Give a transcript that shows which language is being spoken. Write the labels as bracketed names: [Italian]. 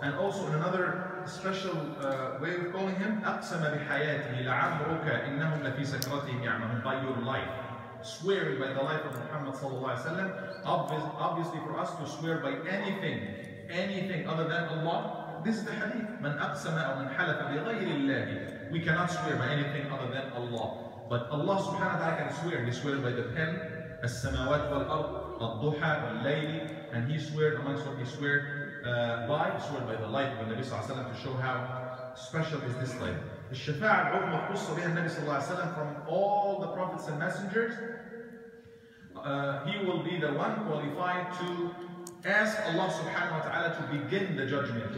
[English] And also in another special way of calling him, [Arabic] أَقْسَمَ بِحَيَاتِهِ لَعَمْرُكَ إِنَّهُمْ لَفِي سَكْرَتِهِمْ يَعْمَهُمْ. [English] By your life, swearing by the life of Muhammad sallallahu alayhi wa sallam. Obviously for us to swear by anything other than Allah. This is the hadith, [Arabic] مَنْ أَقْسَمَ أَوْ مَنْ حَلَفَ بِغَيْرِ اللَّهِ. [English] We cannot swear by anything other than Allah. But Allah subhanahu wa ta'ala can swear. He swears by the pen, [Arabic] السماوات والأرض, الضحى والليل, [English] and he sweared amongst what he sweared by, he sweared by the light of the Nabi sallallahu alayhi wa sallam, to show how special is this light. The shafa'a al-uzma qussa biha Nabi sallallahu alayhi wa sallam from all the prophets and messengers, he will be the one qualified to ask Allah subhanahu wa ta'ala to begin the judgment.